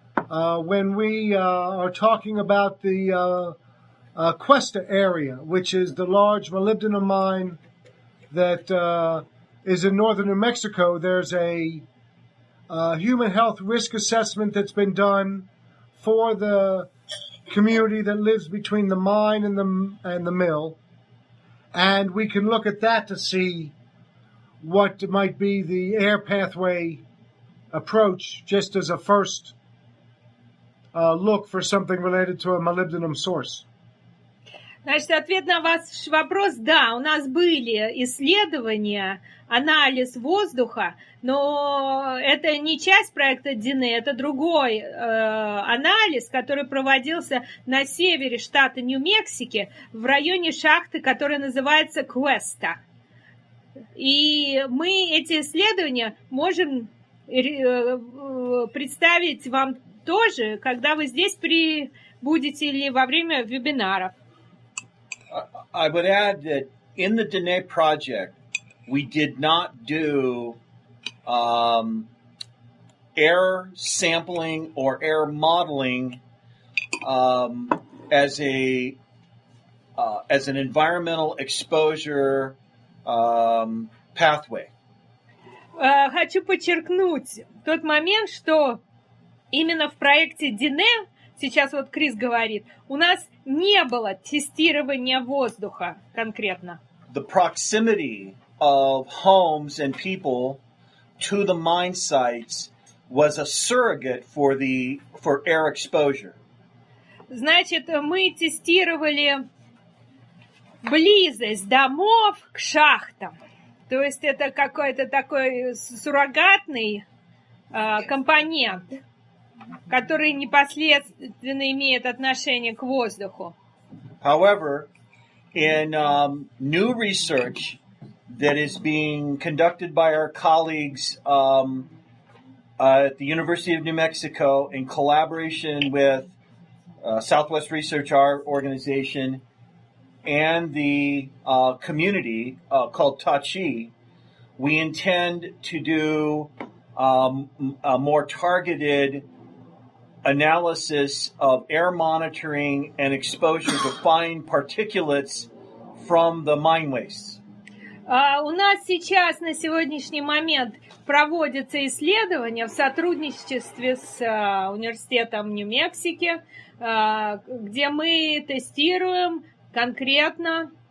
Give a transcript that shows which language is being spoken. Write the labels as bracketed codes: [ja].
[en] When we are talking about the Cuesta area, which is the large molybdenum mine that is in northern New Mexico, there's a human health risk assessment that's been done for the community that lives between the mine and the mill. And we can look at that to see what might be the air pathway approach just as a first look for something related to a molybdenum source. [ru] Значит, ответ на ваш вопрос – да, у нас были исследования, анализ воздуха, но это не часть проекта Дине, это другой анализ, который проводился на севере штата Нью-Мексики в районе шахты, которая называется Cuesta. И мы эти исследования можем представить вам тоже, когда вы здесь прибудете или во время вебинаров. [en] I would add that in the Dine project, we did not do air sampling or air modeling as an environmental exposure pathway. [ru] Хочу подчеркнуть тот момент, что именно в проекте Dine, сейчас вот Крис говорит, у нас не было тестирования воздуха конкретно. [en] The proximity of homes and people to the mine sites was a surrogate for air exposure. [ru] Значит, мы тестировали близость домов к шахтам. То есть это какой-то такой суррогатный компонент, который непосредственно имеет отношение к воздуху. [en] However, in new research that is being conducted by our colleagues at the University of New Mexico in collaboration with Southwest Research, our organization, and the community called Tachi, we intend to do a more targeted analysis of air monitoring and exposure to fine particulates from the mine wastes. [ru] У нас сейчас на сегодняшний момент проводится исследование в сотрудничестве с университетом Нью-Мексики, где мы тестируем конкретно